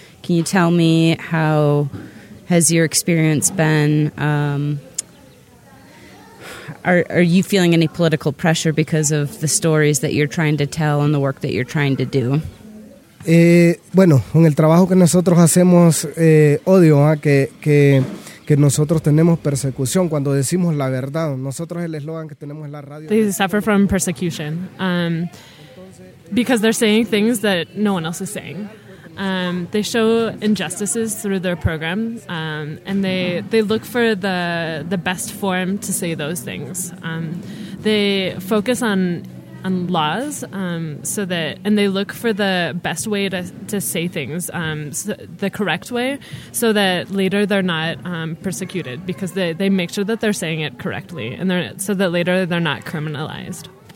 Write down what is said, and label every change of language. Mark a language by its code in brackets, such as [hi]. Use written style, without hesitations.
[en] Can you tell me how has your experience been? Are you feeling any political pressure because of the stories that you're trying to tell and the work that you're trying to do? [es] Bueno, en el trabajo que nosotros hacemos, odio que nosotros tenemos persecución cuando decimos la verdad. Nosotros el eslogan que tenemos en la radio. [en] They suffer from persecution because they're saying things that no one else is saying. They show injustices through their program, and they look for the best form to say those things. They focus on laws, and they look for the best way to say things, the correct way, so that later they're not persecuted, because they make sure that they're saying it correctly, and so that later they're not criminalized.